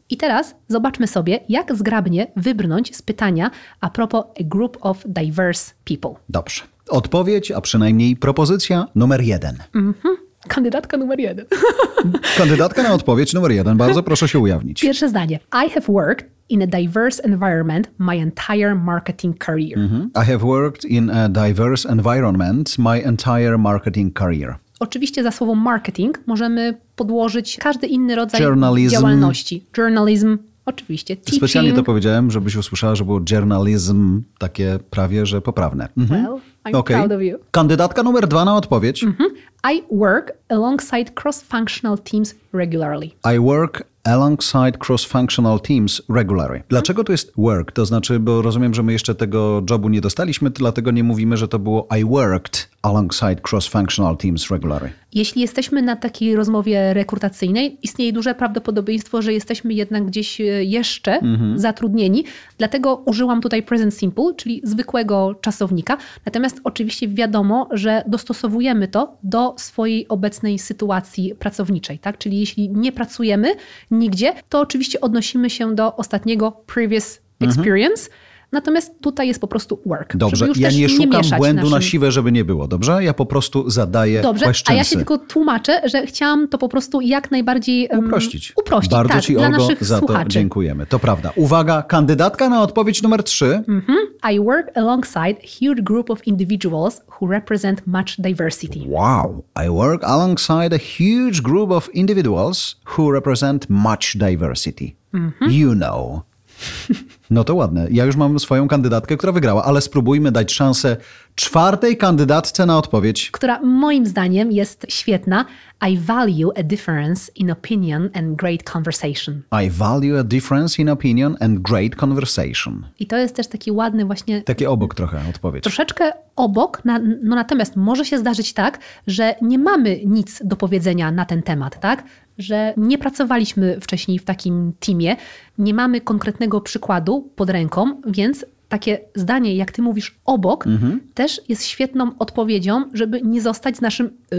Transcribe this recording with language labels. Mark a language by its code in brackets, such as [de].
[pl] I teraz zobaczmy sobie, jak zgrabnie wybrnąć z pytania a propos [en] a group of diverse people. [pl] Dobrze. Odpowiedź, a przynajmniej propozycja numer jeden. Mm-hmm. Kandydatka numer jeden. Kandydatka na odpowiedź numer jeden. Bardzo proszę się ujawnić. Pierwsze zdanie. [en] I have worked in a diverse environment my entire marketing career. Mm-hmm. I have worked in a diverse environment my entire marketing career. [pl] Oczywiście za słowo marketing możemy podłożyć każdy inny rodzaj działalności. [en] Journalism. [pl] Oczywiście. [en] Teaching. [pl] Specjalnie to powiedziałem, żebyś usłyszała, że było journalism takie prawie, że poprawne. [en] Mm-hmm. Well, I'm okay. Proud of you. [pl] Kandydatka numer dwa na odpowiedź. [en] Mm-hmm. I work alongside cross-functional teams regularly. I work alongside cross-functional teams regularly. [pl] Dlaczego to jest work? To znaczy, bo rozumiem, że my jeszcze tego jobu nie dostaliśmy, dlatego nie mówimy, że to było [en] I worked alongside cross-functional teams regularly. [pl] Jeśli jesteśmy na takiej rozmowie rekrutacyjnej, istnieje duże prawdopodobieństwo, że jesteśmy jednak gdzieś jeszcze zatrudnieni. Dlatego użyłam tutaj present simple, czyli zwykłego czasownika. Natomiast oczywiście wiadomo, że dostosowujemy to do swojej obecnej sytuacji pracowniczej. Tak? Czyli jeśli nie pracujemy nigdzie, to oczywiście odnosimy się do ostatniego previous experience. Natomiast tutaj jest po prostu work. Dobrze, żeby już ja też nie szukam nie błędu na siwe, żeby nie było, dobrze? Ja po prostu zadaję questionsy. A ja się tylko tłumaczę, że chciałam to po prostu jak najbardziej uprościć. Bardzo ci, Olgo, za to dziękujemy. To prawda. Uwaga, kandydatka na odpowiedź numer 3. [en] I work alongside a huge group of individuals who represent much diversity. Wow. I work alongside a huge group of individuals who represent much diversity. You know. [pl] No to ładne. Ja już mam swoją kandydatkę, która wygrała, ale spróbujmy dać szansę czwartej kandydatce na odpowiedź. Która moim zdaniem jest świetna. [en] I value a difference in opinion and great conversation. I value a difference in opinion and great conversation. [pl] I to jest też taki ładny właśnie... Taki obok trochę odpowiedź. Troszeczkę obok, no natomiast może się zdarzyć tak, że nie mamy nic do powiedzenia na ten temat, tak? Że nie pracowaliśmy wcześniej w takim teamie, nie mamy konkretnego przykładu pod ręką, więc takie zdanie, jak ty mówisz, obok, też jest świetną odpowiedzią, żeby nie zostać z naszym...